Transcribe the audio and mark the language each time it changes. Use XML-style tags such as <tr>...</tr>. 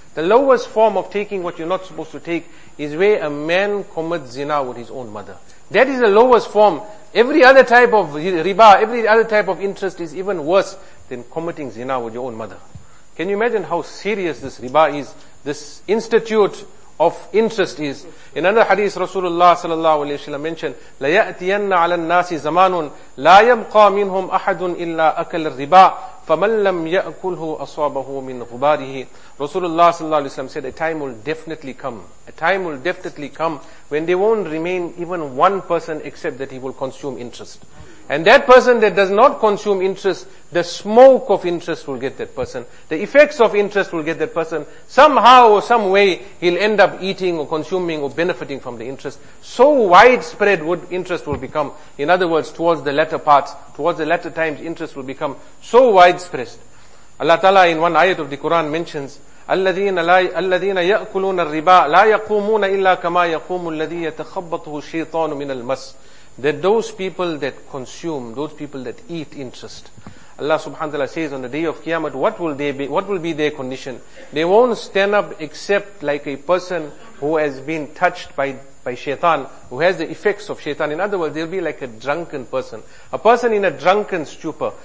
<en>The lowest form of taking what you're not supposed to take is where a man commits zina with his own mother. That is the lowest form. Every other type of riba, every other type of interest is even worse than committing zina with your own mother. Can you imagine how serious this riba is, this institute of interest is? In another hadith, Rasulullah sallallahu alayhi wa sallam mentioned,</en> <ar>لَيَأْتِيَنَّ عَلَى النَّاسِ زَمَانٌ لَا يَبْقَى مِنْهُمْ أَحَدٌ إِلَّا أَكَلَ الرِّبَى فَمَنْ لَمْ يَأْكُلْهُ أَصَابَهُ مِنْ غُبَارِهِ.</ar> <en>Rasulullah sallallahu alayhi wa sallam said, a time will definitely come, a time will definitely come when there won't remain even one person except that he will consume interest. And that person that does not consume interest, the smoke of interest will get that person. The effects of interest will get that person. Somehow or some way, he'll end up eating or consuming or benefiting from the interest. So widespread would interest will become. In other words, towards the latter parts, towards the latter times, interest will become so widespread. Allah Ta'ala in one ayat of the Quran mentions,</en> <ar>الَّذِينَ يَأْكُلُونَ الرِّبَاء لَا يَقُومُونَ إِلَّا كَمَا يَقُومُ الَّذِي يَتَخَبَّطُهُ الشَّيْطَانُ مِنَ الْمَسْ.</ar> <en>That those people that consume, those people that eat interest, Allah subhanahu wa ta'ala says on the day of Qiyamah, what will be their condition? They won't stand up except like a person who has been touched by shaitan, who has the effects of shaitan. In other words, they'll be like a drunken person. A person in a drunken stupor.</en>